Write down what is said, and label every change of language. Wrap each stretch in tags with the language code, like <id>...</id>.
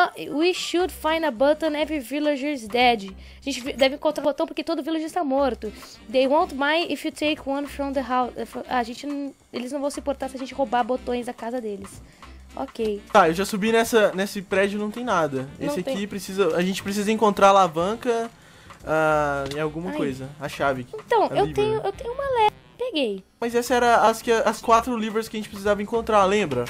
<en>We should find a button, every villager is dead.</en> <pt>A gente deve encontrar o botão porque todo villager está morto.</pt> <en>They won't mind if you take one from the house.</en> <pt>Eles não vão se importar se a gente roubar botões da casa deles. Ok. Tá, eu já subi nesse prédio, não tem nada. Esse não aqui tem. A gente precisa encontrar a alavanca em alguma coisa. A chave. Então, a eu tenho uma leve. Peguei. Mas essas eram as quatro livros que a gente precisava encontrar, lembra?</pt>